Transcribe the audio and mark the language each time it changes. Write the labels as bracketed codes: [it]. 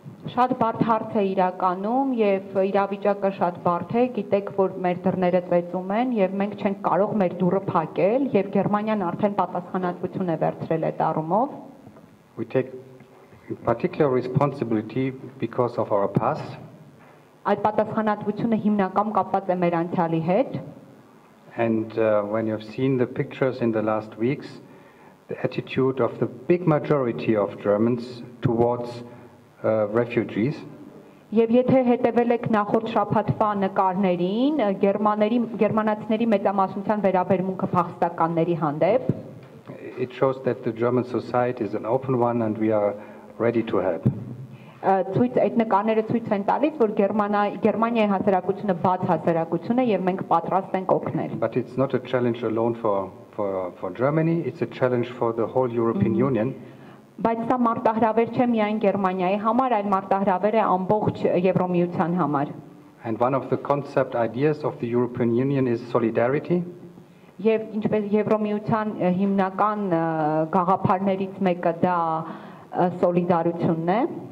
[hy] Շատ բարդ հարց է իրականում եւ իրավիճակը շատ բարդ է։ Գիտեք, որ մեր դռները ծեծում են եւ մենք չենք կարող մեր դուռը փակել եւ Գերմանիան արդեն պատասխանատվություն է վերցրել այդ առումով։ [en] We take particular responsibility because of our past. [hy] Այդ պատասխանատվությունը հիմնական կապված է մեր անցյալի հետ։ [en] And when you've seen the pictures in the last weeks, the attitude of the big majority of Germans towards refugees. [hy] Եվ եթե հետևել եք նախորդ շաբաթվա նկարներին, գերմանացիների մեծամասնության վերաբերմունքը փախստականների հանդեպ, [en] it shows that the German society is an open one and we are ready to help. [hy] Ցույց այդ նկարները ցույց են տալիս, որ Գերմանիայի հասարակությունը բաց հասարակություն է եւ մենք պատրաստ ենք օգնել. [en] But it's not a challenge alone for Germany, it's a challenge for the whole European Union. [hy] Բայց դա մարտահրավեր չէ միայն Գերմանիայի համար, այլ մարտահրավեր է ամբողջ Եվրոմիության համար։ [en] And one of the concept ideas of the European Union is solidarity. [hy] Եվ ինչպես Եվրոմիության հիմնական գաղափարներից մեկը դա solidarity-ն է։